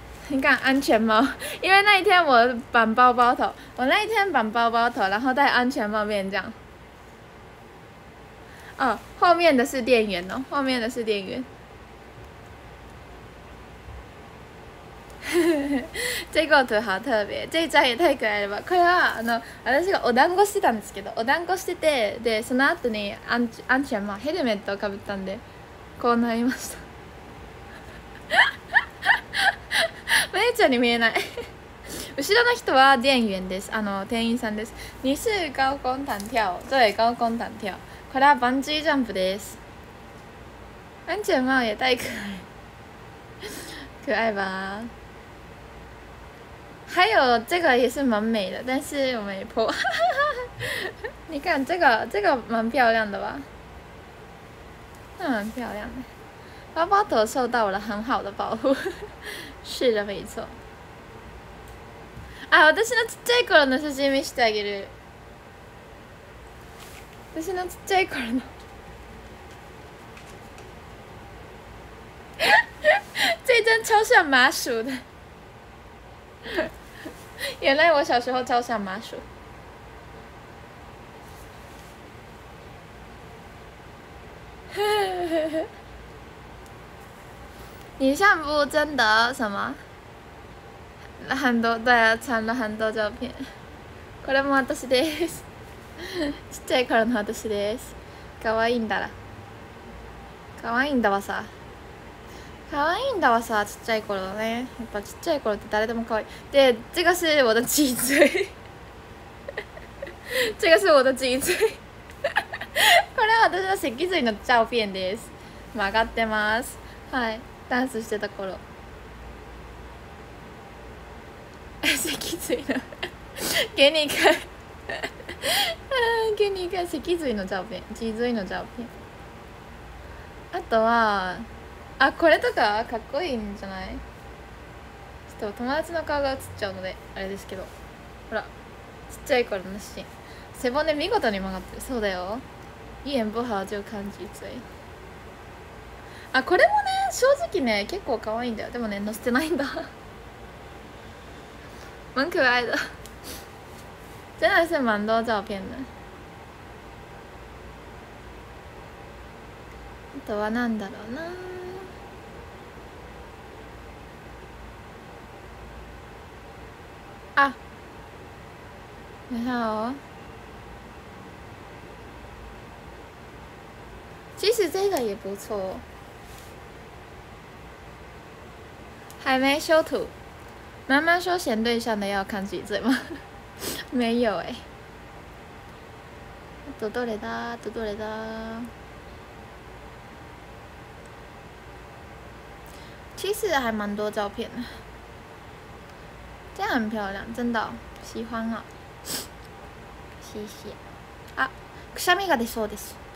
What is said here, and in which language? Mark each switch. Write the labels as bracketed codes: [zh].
[zh] 你看安全帽，因为那一天我绑包包头，然后戴安全帽面这样。哦，后面的是店员哦，后面的是店员。这个图好特别，这一张也太可爱了吧！ [ja] これは私がお団子してたんですけど、お団子してて、でその後に安全帽、ヘルメットをかぶったんで、こうなりました。めいちゃんに見えない。後ろの人は店員です。店員さんです。 [zh] 你是高空弹跳。对，高空弹跳。 [ja] これはバンジージャンプです。 [zh] 安全帽也戴可爱。可爱吧。还有这个也是蛮美的，但是我没破。你看这个蛮漂亮的吧？蛮漂亮的。包包头受到了很好的保护。是的，没错。 [ja] 啊，私のちっちゃい頃の写真見せてあげる。私のちっちゃい頃の。 [zh] 这张超像麻薯的。原来我小时候超像麻薯。你像不真的什么？很多对啊，传了很多照片。 [ja] これも私です。ちっちゃい頃の私です。可愛いんだら。可愛いんだわさ。可愛いんだわさ、ちっちゃい頃ね。やっぱちっちゃい頃って誰でも可愛い。で、 [zh] 这个是我的脊椎。这个是我的脊椎。 [ja] これは私の脊椎の照片です。曲がってます。はい。ダンスしてた頃、脊椎の筋肉、筋肉脊椎の照片、脊椎の照片。あとは、あこれとかかっこいいんじゃない？ちょっと友達の顔が映っちゃうのであれですけど、ほら、ちっちゃい頃の写真、背骨見事に曲がってる、そうだよ。 [zh] 一言不合就看脊椎。 [ja] あ、これもね、正直ね、結構可愛いんだよ。でもね、載せてないんだ。 [zh] 蛮可爱的，真的是蛮多照片的。 [ja] あとはなんだろうな。あ、 [zh] 你好。其实这个也不错，还没修图。妈妈说嫌对象的要看脊椎吗？没有哎、欸。 [ja] どどれだ、どどれだ。 [zh] 其实还蛮多照片的，这样很漂亮，真的、哦、喜欢啊、哦。谢谢。 [ja] 啊，くしゃみが出そうです。